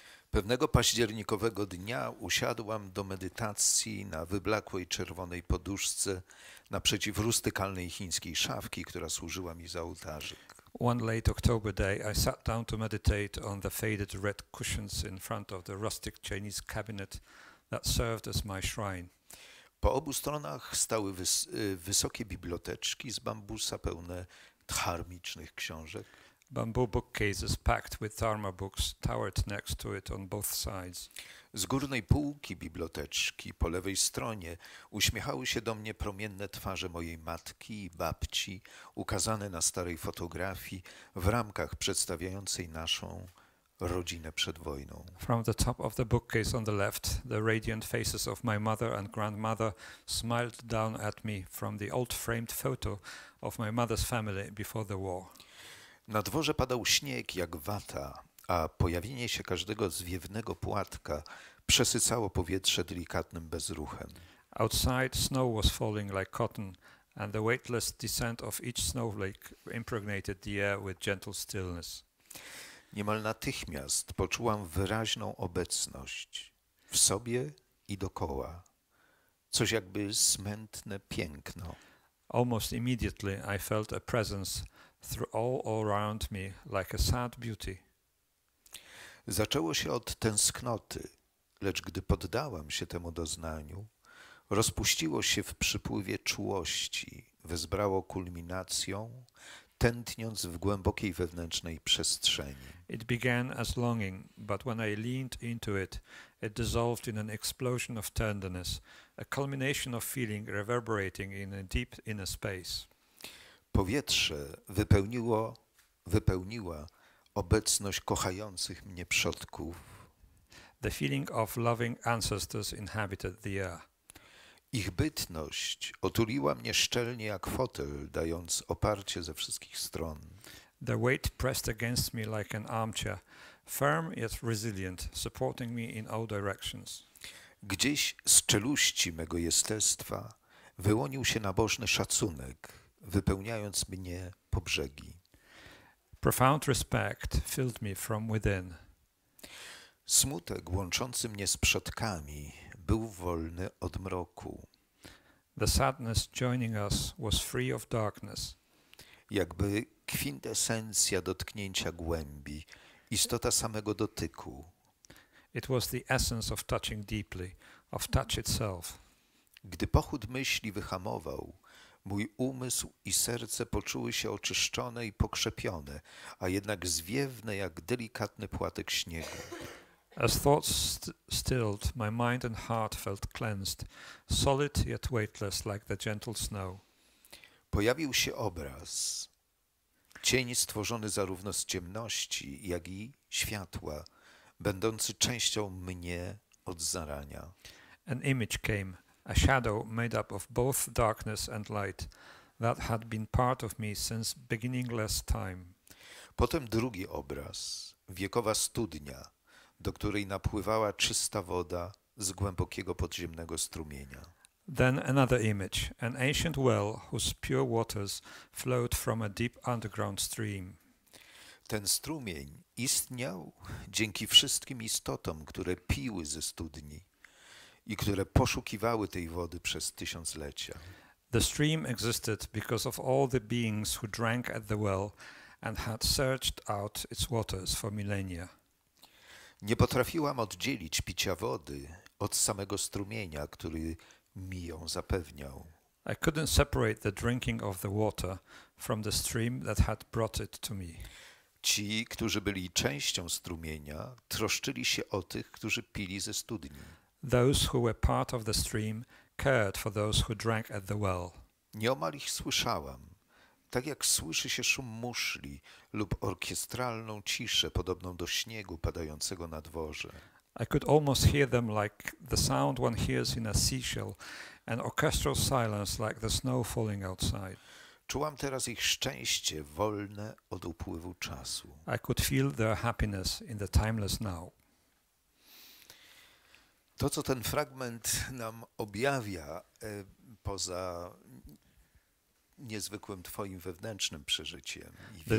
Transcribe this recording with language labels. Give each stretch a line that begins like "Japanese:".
Polish: Pewnego październikowego dnia usiadłam do medytacji na wyblakłej czerwonej poduszce naprzeciw rustykalnej chińskiej szafki, która służyła mi za ołtarzyk.
English: One late October day, I sat down to meditate on the faded red cushions in front of the rustic Chinese cabinet that served as my shrine.
Polish: Po obu stronach stały wysokie biblioteczki z bambusa pełne dharmicznych książek.
English: Bamboo bookcases packed with dharma books towered next to it on both sides.
Polish: Z górnej półki biblioteczki, po lewej stronie, uśmiechały się do mnie promienne twarze mojej matki i babci, ukazane na starej fotografii w ramkach przedstawiającej naszą rodzinę przed wojną.
English: From the top of the bookcase on the left, the radiant faces of my mother and grandmother smiled down at me from the old framed photo of my mother's family before the war.
Polish: Na dworze padał śnieg jak wata, a pojawienie się każdego zwiewnego płatka przesycało powietrze delikatnym bezruchem.
English: Outside, snow was falling like cotton, and the weightless descent of each snowflake impregnated the air with gentle stillness.
Polish: Niemal natychmiast poczułam wyraźną obecność w sobie i dokoła, coś jakby smętne piękno.
English: Almost immediately I felt a presence through all around me like a sad beauty.
Polish: Zaczęło się od tęsknoty, lecz gdy poddałam się temu doznaniu, rozpuściło się w przypływie czułości, wezbrało kulminacją, tętniąc w głębokiej wewnętrznej przestrzeni.
English: It began as longing, but when I leaned into it, it dissolved in an explosion of tenderness, a culmination of feeling reverberating in a deep inner space.
Polish: Powietrze wypełniła obecność kochających mnie przodków.
English: The feeling of loving ancestors inhabited the air.
Polish: Ich bytność otuliła mnie szczelnie jak fotel, dając oparcie ze wszystkich stron.
English: The weight pressed against me like an armchair, firm yet resilient, supporting me in all directions.
Polish: Gdzieś z czeluści mego jestestwa wyłonił się nabożny szacunek, wypełniając mnie po brzegi.
English: Profound respect filled me from within.
Polish: Smutek łączący mnie z przodkami był wolny od mroku.
English: The sadness joining us was free of darkness.
Polish: Jakby kwintesencja dotknięcia głębi, istota samego dotyku.
English: It was the essence of touching deeply, of touch itself.
Polish: Gdy pochód myśli wyhamował, mój umysł i serce poczuły się oczyszczone i pokrzepione, a jednak zwiewne jak delikatny płatek śniegu.
English: As thoughts stilled, my mind and heart felt cleansed, solid yet weightless like the gentle snow.
Polish: Pojawił się obraz, cień stworzony zarówno z ciemności, jak i światła, będący częścią mnie od zarania.
English: An image came. A shadow made up of both darkness and light that had been part of me since beginningless time.
Polish: Potem drugi obraz, wiekowa studnia, do której napływała czysta woda z głębokiego podziemnego strumienia.
English: Then another image, an ancient well whose pure waters flowed from a deep underground stream.
Polish: Ten strumień istniał dzięki wszystkim istotom, które piły ze studni i które poszukiwały tej wody przez tysiąclecia.
English: The stream existed because of all the beings who drank at the well and had searched out its waters for millennia.
Polish: Nie potrafiłam oddzielić picia wody od samego strumienia, który mi ją zapewniał.
English: I couldn't separate the drinking of the water from the stream that had brought it to me.
Polish: Ci, którzy byli częścią strumienia, troszczyli się o tych, którzy pili ze studni.
English: Those who were part of the stream cared for those who drank at the well.
Polish: Nieomal ich słyszałam, tak jak słyszy się szum muszli lub orkiestralną ciszę podobną do śniegu padającego na dworze.
English: I could almost hear them like the sound one hears in a seashell, an orchestral silence like the snow falling outside.
Polish: Czułam teraz ich szczęście wolne od upływu czasu.
English: I could feel their happiness in the timeless now.
Polish: To, co ten fragment nam objawia, poza niezwykłym twoim wewnętrznym przeżyciem i wizją.